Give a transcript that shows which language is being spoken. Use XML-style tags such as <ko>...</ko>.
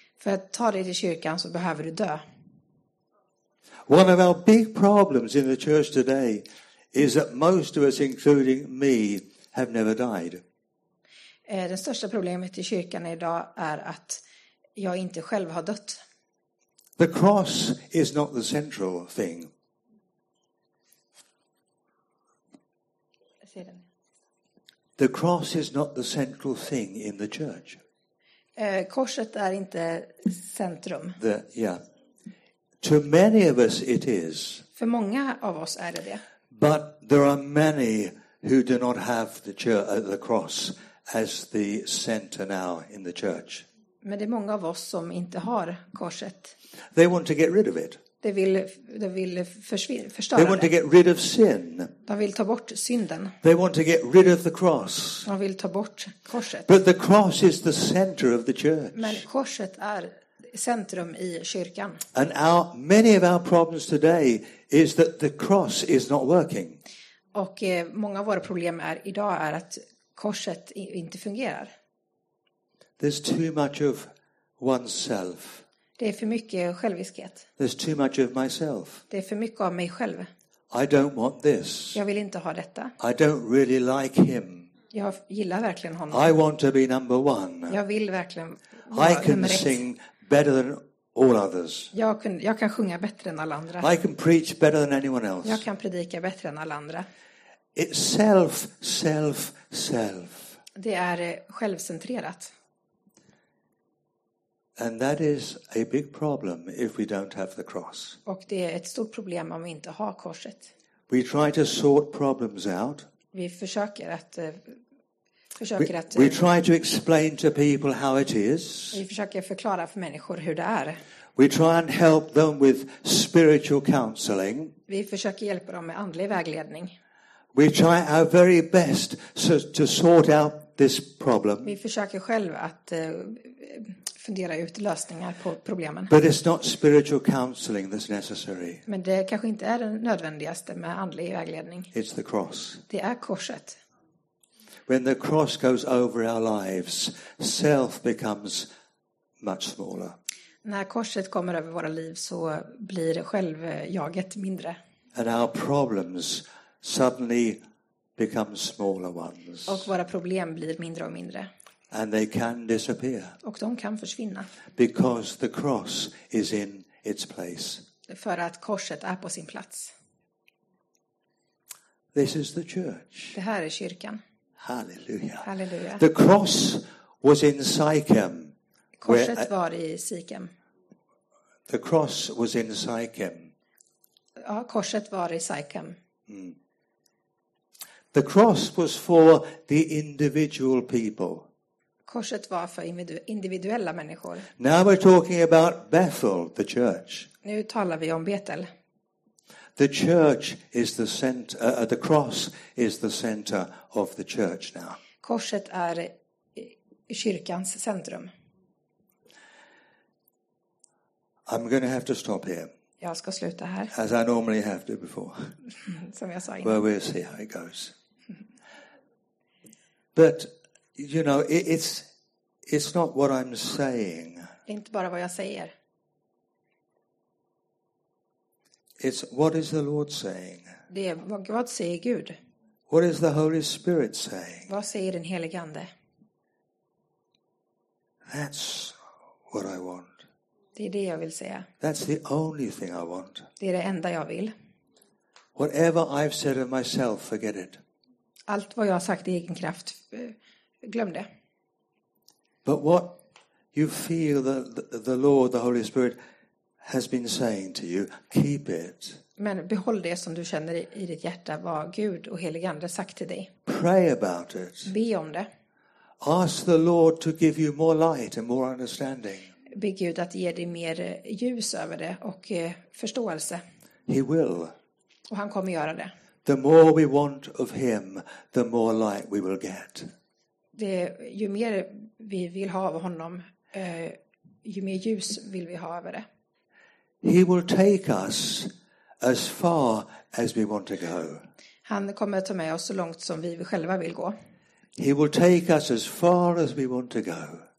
<sv>För att ta dig till kyrkan så behöver du dö.</sv> <en>One of our big problems in the church today is that most of us including me have never died.</en> <sv>Det största problemet i kyrkan idag är att jag inte själv har dött.</sv> <en>The cross is not the central thing. The cross is not the central thing in the church.</en> <sv>Korset är inte centrum.</sv> <en>To many of us it is.</en> <sv>För många av oss är det det.</sv> <en>But there are many who do not have the cross as the center now in the church.</en> <sv>Men det är många av oss som inte har korset.</sv> <en>They want to get rid of it.</en> <sv>De vill förstöra.</sv> <en>They want to get rid of sin.</en> <sv>De vill ta bort synden.</sv> <en>They want to get rid of the cross.</en> <sv>De vill ta bort korset.</sv> <en>But the cross is the center of the church.</en> <sv>Men korset är centrum i kyrkan.</sv> <en>And many of our problems today is that the cross is not working.</en> <sv>Och många av våra problem är idag är att korset inte fungerar.</sv> <en>There's too much of oneself.</en> <sv>Det är för mycket själviskhet.</sv> <en>There's too much of myself.</en> <sv>Det är för mycket av mig själv.</sv> <en>I don't want this.</en> <sv>Jag vill inte ha detta.</sv> <en>I don't really like him.</en> <sv>Jag gillar verkligen honom.</sv> <en>I want to be number one.</en> <sv>Jag vill verkligen</sv> <en>I can sing better than all others.</en> <sv>Jag kan sjunga bättre än alla andra.</sv> <en>I can preach better than anyone else.</en> <sv>Jag kan predika bättre än alla andra.</sv> <en>It's self, self, self.</en> <sv>Det är självcentrerat.</sv> <en>And that is a big problem if we don't have the cross.</en> <sv>Och det är ett stort problem om vi inte har korset.</sv> <en>We try to sort problems out.</en> <sv>Vi försöker att</sv> <en>We try to explain to people how it is.</en> <sv>Vi försöker förklara för människor hur det är.</sv> <en>We try and help them with spiritual counseling.</en> <sv>Vi försöker hjälpa dem med andlig vägledning.</sv> <en>We try our very best to sort out this problem.</en> <sv>Vi försöker själv att fundera ut lösningar på problemen.</sv> <en>But it's not spiritual counseling that's necessary.</en> <sv>Men det kanske inte är det nödvändigaste med andlig vägledning.</sv> <en>It's the cross.</en> <sv>Det är korset.</sv> <en>When the cross goes over our lives, self becomes much smaller.</en> <sv>När korset kommer över våra liv så blir självjaget mindre.</sv> <en>And our problems suddenly become smaller ones.</en> <sv>Och våra problem blir mindre och mindre.</sv> <en>And they can disappear.</en> <sv>Och de kan försvinna.</sv> <en>Because the cross is in its place.</en> <sv>För att korset är på sin plats.</sv> <en>This is the church.</en> <sv>Det här är kyrkan.</sv> <en>Hallelujah.</en> <sv>Halleluja.</sv> <en>The cross was in Sychem.</en> <sv>Korset var i Sychem.</sv> <en>The cross was in Sychem.</en> <sv>Ja, korset var i Sychem. Mm.</sv> <en>The cross was for the individual people.</en> <sv>Korset var för individuella människor.</sv> <en>Now we're talking about Bethel, the church.</en> <sv>Nu talar vi om Betel.</sv> <en>The church is the center. The cross is the center of the church now.</en> <sv>Korset är kyrkans centrum.</sv> <en>I'm going to have to stop here.</en> <sv>Jag ska sluta här.</sv> <en>As I normally have to before.</en> <sv>Som jag sa innan.</sv> <en>Well, we'll see how it goes. But you know, it's not what I'm saying.</en> <sv>Det är inte bara vad jag säger.</sv> <en>It's what is the Lord saying?</en> <sv>Det är vad säger Gud?</sv> <en>What is the Holy Spirit saying?</en> <sv>Vad säger den helige ande?</sv> <en>That's what I want.</en> <sv>Det är det jag vill säga.</sv> <en>That's the only thing I want.</en> <sv>Det är det enda jag vill.</sv> <en>Whatever I've said of myself, forget it.</en> <sv>Allt vad jag har sagt i egen kraft, glöm det.</sv> <en>But what you feel that the Lord, the Holy Spirit has been saying to you, keep it.</en> <sv>Men behåll det som du känner i ditt hjärta vad Gud och helige ande sagt till dig.</sv> <en>Pray about it.</en> <sv>Be om det.</sv> <en>Ask the Lord to give you more light and more understanding.</en> <sv>Be Gud att ge dig mer ljus över det och förståelse.</sv> <en>He will.</en> <sv>Och han kommer göra det.</sv> <en>The more we want of him, the more light we will get.</en> <sv>Det, ju mer vi vill ha av honom, ju mer ljus vill vi ha över det.</sv> <en>He will take us as far as we want to go.</en> <sv>Han kommer att ta med oss så långt som vi själva vill gå.</sv> <en>He will take us as far as we want to go.</en>